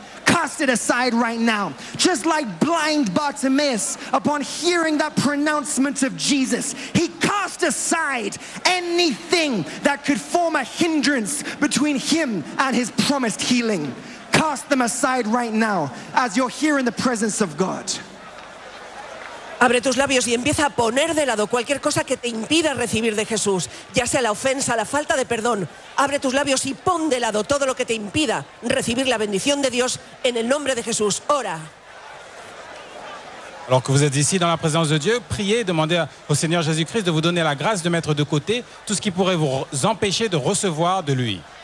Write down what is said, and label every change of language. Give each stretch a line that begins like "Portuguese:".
English: Cast it aside right now. Just like blind Bartimaeus, upon hearing that pronouncement of Jesus, he cast aside anything that could form a hindrance between him and his promised healing. Cast them aside right now, as you're here in the presence of God.
Spanish: Abre tus labios y empieza a poner de lado cualquier cosa que te impida recibir de Jesús, ya sea la ofensa, la falta de perdón. Abre tus labios y pon de lado todo lo que te impida recibir la bendición de Dios en el nombre de Jesús. Ora.
French: Alors que vous êtes ici dans la présence de Dieu, priez, demandez au Seigneur Jésus-Christ de vous donner la grâce de mettre de côté tout ce qui pourrait vous empêcher de recevoir de lui.